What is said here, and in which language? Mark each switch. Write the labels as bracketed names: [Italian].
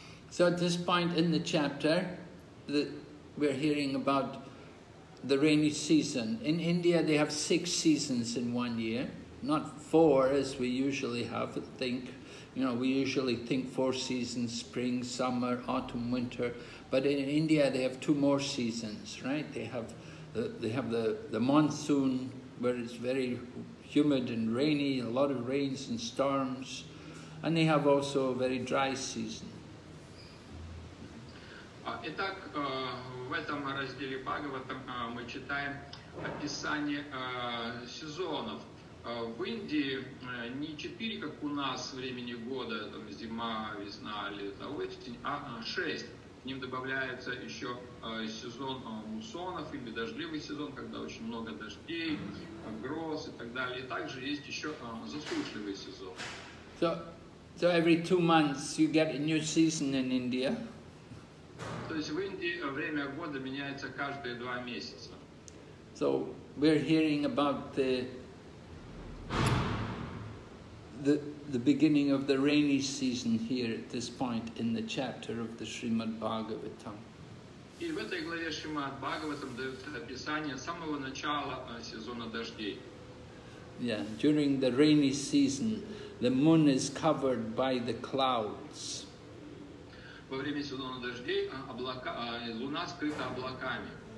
[English] So at this point in the chapter, we're hearing about the rainy season. In India, they have 6 seasons in 1 year, not 4 as we usually have, You know, we usually think 4 seasons, spring, summer, autumn, winter. But in India, they have 2 more seasons, right? They have the monsoon, where it's very humid and rainy, a lot of rains and storms. And they have also a very dry season. [Russian] Итак, в этом разделе Бхагаватам мы читаем описание сезонов. В Индии не 4, как у нас, времени года, там зима, весна, лето, осень, а 6. К ним добавляется еще сезон муссонов или дождливый сезон, когда очень много дождей, гроз и так далее. И также есть еще засушливый сезон. [English] So every 2 months you get a new season in India? [Russian] То есть в Индии время года меняется каждые 2 месяца. [English] So we're hearing about the beginning of the rainy season here at this point in the chapter of the Srimad Bhagavatam. [Russian] И в этой главе Шримад Бхагаватам дается описание самого начала сезона дождей. [English] Yeah, during the rainy season, the moon is covered by the clouds. [Russian] Во время сезона дождей луна скрыта облаками.